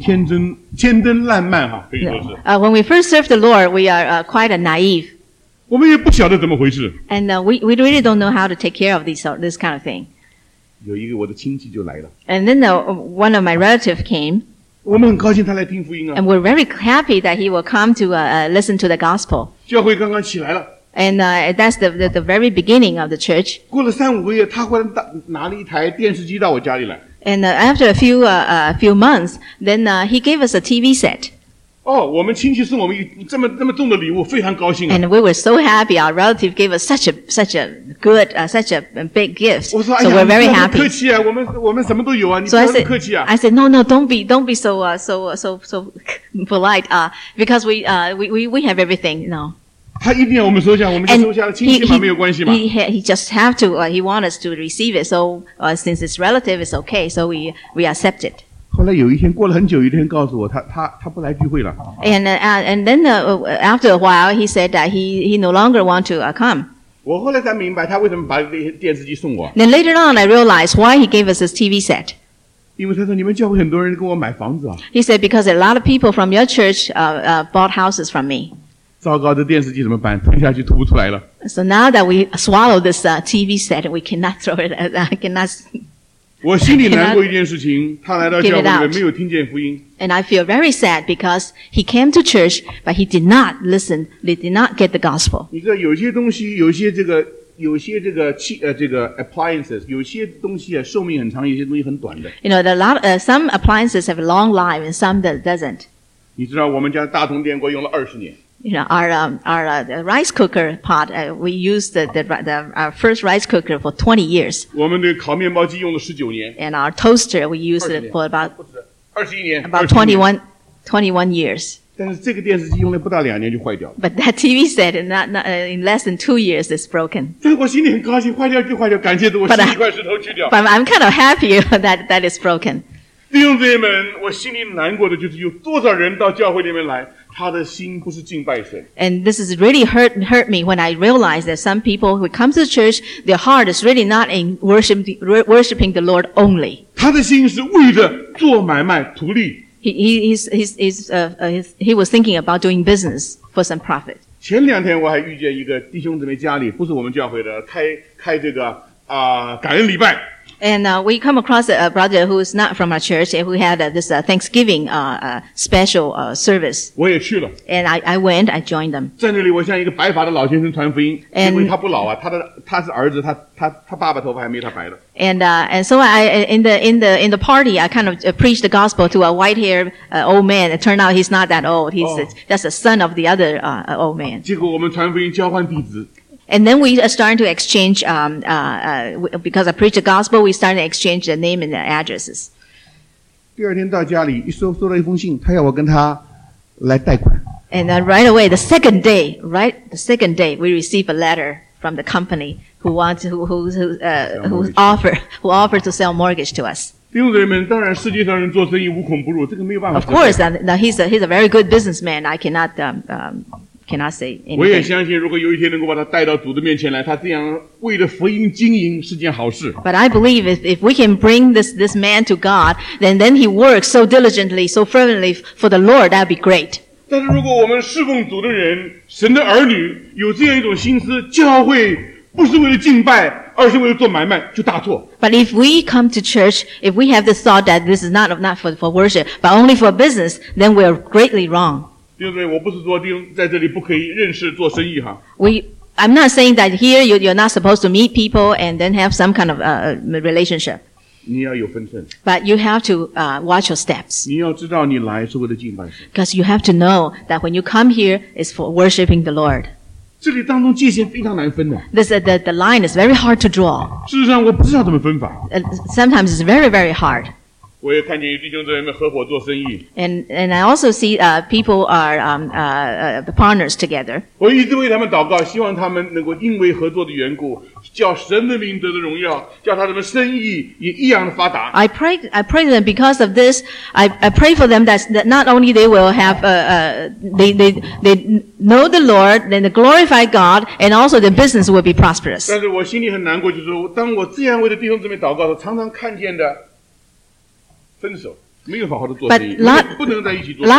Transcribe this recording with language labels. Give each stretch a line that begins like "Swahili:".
Chinese: 你知道弟兄姊妹,我们刚刚开始侍奉主是很天真烂漫哈, 可以说是。
English: When we first serve the Lord, we are quite a naive.
Chinese: 我们也不晓得怎么回事。
English: And we really don't know how to take care of this kind of thing.
Chinese: 有一个我的亲戚就来了。
English: And then one of my relatives came.
Chinese: 我们很高兴他来听福音啊。
English: And we're very happy that he will come to listen to the gospel.
Chinese: 教会刚刚起来了。
English: And that's the very beginning of the church.
Chinese: 过了三五个月, 他忽然拿了一台电视机到我家里来。
English: And after a few months, then he gave us a TV set.
Chinese: 哦,我们亲戚送我们这么重的礼物,非常高兴啊。
English: And we were so happy, our relative gave us such a big gift.
Chinese: 我说,
English: so we're very happy.
Chinese: 客气啊,我们什么都有啊,你不要那么客气啊。
English: So I said, no, don't be so polite, because we have everything, no.
Chinese: 他一定要我们收下,我们就收下了,亲戚嘛,没有关系嘛。
English: He just have to, he want us to receive it, so since it's relative, it's okay, so we accept it.
Chinese: 后来有一天,过了很久,有一天告诉我,他不来聚会了。
English: And then after a while, he said that he no longer want to come.
Chinese: 我后来才明白他为什么把电视机送我。
English: Then later on, I realized why he gave us this TV set.
Chinese: 因为他说,你们教会很多人跟我买房子啊。
English: He said, because a lot of people from your church bought houses from me.
Chinese: 糟糕,这电视机怎么办?吞下去,吐不出来了。
English: So now that we swallow this TV set, we cannot throw it, cannot
Chinese: 我心里难过一件事情，他来到教会里没有听见福音。
English: And I feel very sad because he came to church, but he did not listen. He did not get the gospel.
Chinese: 你知道有些东西，有些这个 appliances, 有些东西啊，寿命很长，有些东西很短的。
English: You know, some appliances have a long life and some that doesn't.
Chinese: 你知道我们家大同电锅用了20年。
English: You know, our rice cooker pot, we used our first rice cooker for 20 years.
Chinese: 我们的烤面包机用了19年。
English: And our toaster, we used it for about
Chinese: 21 年。
English: About 21 years.
Chinese: 但是这个电视机用了不到两年就坏掉了。
English: But that TV set in less than 2 years is broken.
Chinese: 但我心里很高兴，坏掉就坏掉，感谢主，我心里一块石头去掉。
English: But I'm kind of happy that is broken.
Chinese: 弟兄姊妹们，我心里难过的就是有多少人到教会里面来。他的心不是敬拜神。
English: And this is really hurt me when I realized that some people who come to church, their heart is really not in worshiping the Lord only.
Chinese: 他的心是为了做买卖图利。
English: He was thinking about doing business for some profit.
Chinese: 前两天我还遇见一个弟兄姊妹家里不是我们教会的开这个感恩礼拜。
English: And we come across a brother who is not from our church and who had this Thanksgiving special service.
Chinese: 我也去了。
English: And I went, I joined them.
Chinese: 在那里我向一个白发的老先生传福音。And, 因为他不老啊，他是儿子，他爸爸头发还没他白的。
English: And so I, in the party, I kind of preached the gospel to a white-haired old man. It turned out he's not that old. He's just a son of the other old man.
Chinese: 结果我们传福音交换地址。
English: And then we started to exchange, because I preached the gospel, we started to exchange the name and the addresses.
Chinese: 第二天到家里，收了一封信，他要我跟他来贷款。
English: And then right away, the second day, we received a letter from the company who offered to sell mortgage to us.
Chinese: 弟兄姊妹们，当然世界上人做生意无孔不入，这个没有办法。
English: Of course, now he's a very good businessman. I cannot, cannot say anything.
Chinese: 我也相信如果有一天能够把他带到主的面前来，他这样为了福音经营是件好事。
English: But I believe if we can bring this man to God, then he works so diligently, so fervently for the Lord, that'd be great.
Chinese: 但是如果我们侍奉主的人，神的儿女，有这样一种心思，教会不是为了敬拜，而是为了做买卖，就大错。
English: But if we come to church, if we have the thought that this is not for worship, but only for business, then we're greatly wrong.
Chinese: 弟兄姊妹，我不是说在这里不可以认识做生意哈。
English: I'm not saying that here you're not supposed to meet people and then have some kind of relationship.
Chinese: 你要有分寸。
English: But you have to watch your steps.
Chinese: 你要知道你来是为了敬拜神。
English: Because you have to know that when you come here is for worshiping the Lord.
Chinese: 这里当中界限非常难分的。
English: The line is very hard to draw.
Chinese: 事实上我不知道怎么分法。
English: Sometimes it's very, very hard.
Chinese: 我也看见弟兄在外面合伙做生意。
English: And I also see people are the partners together.
Chinese: 我一直为他们祷告，希望他们能够因为合作的缘故，叫神的名得的荣耀，叫他们生意也一样的发达。
English: I pray them because of this. I pray for them that not only they will have they know the Lord, then they glorify God, and also their business will be prosperous.
Chinese: 但是我心里很难过，就是当我这样为的弟兄姊妹祷告的时候，常常看见的。分手，没有好好的做生意，不能在一起做生意。